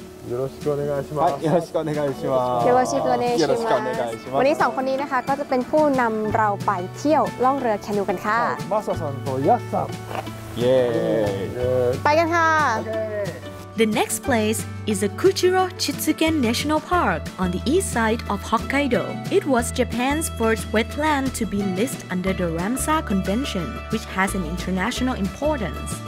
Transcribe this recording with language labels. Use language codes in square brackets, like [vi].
[ja] よろしくお願いします。はい、よろしくお願いします。よろしくお願いします。 [th] วันนี้2คนนี้นะคะก็จะเป็นผู้นําเราไปเที่ยวล่องเรือแคนูกันค่ะ。 [ja] マサさんとヤスさん。イエー [th] イ。ไปกันค่ะ。 [en] The next place is the Kuchiro Chitsuken National Park on the east side of Hokkaido. It was Japan's first wetland to be listed under the Ramsar Convention, which has an international importance.